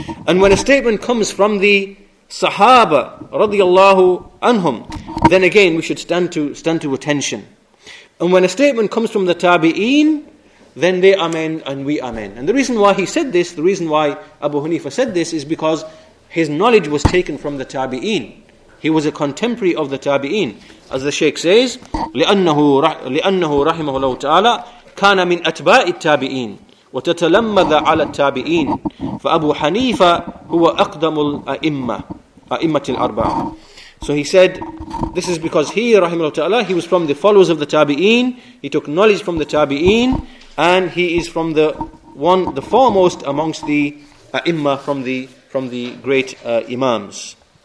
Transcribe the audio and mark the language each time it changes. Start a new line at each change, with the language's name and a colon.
English: And when a statement comes from the Sahaba radiyallahu anhum, then again we should stand to attention. And when a statement comes from the Tabi'een, then they amen and we amen. And the reason why he said this, the reason why Abu Hanifa said this, is because his knowledge was taken from the Tabi'een. He was a contemporary of the Tabi'een. As the Shaykh says,
Arabic: لِأَنَّهُ رَحِمَهُ اللَّهُ تَعَالَى كَانَ مِنْ أَتْبَاءِ التَّابِئِينَ وَتَتَلَمَّذَ عَلَى التَّابِئِينَ فَأَبُو حَنِيفَ هُوَ أَقْدَمُ الْأَئِمَّةِ الْأَرْبَعَةِ.
English: So he said, this is because he, rahimahullah ta'ala, he was from the followers of the Tabi'een, he took knowledge from the Tabi'een, and he is from the foremost amongst the a'imma, from the great imams.